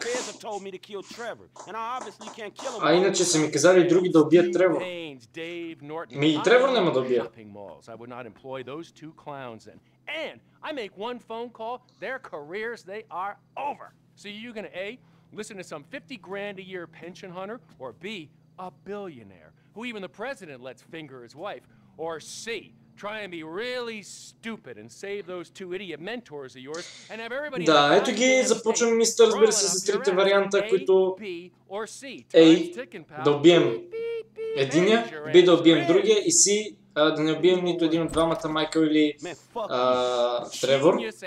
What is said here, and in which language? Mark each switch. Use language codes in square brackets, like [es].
[en] The Fez have told me to kill Trevor, and I obviously can't kill him. [bg] А иначе са ми казали други да убият Тревор. Ми и Тревор няма да убия. [en] I would not employ those two clowns then. And I make one phone call, their careers, they are over. So you're gonna A, listen to some 50 grand a year pension hunter, or B, a billionaire, who even the president lets finger his wife, or C, try and be really stupid and save those two idiot mentors of yours and have everybody... [bg] Да, ето ги, започваме мисията, разбира се, с трите варианта, които... A, да убием единия, B, да убием другия и C, да не убием нито един от двамата, Майкъл или Тревор.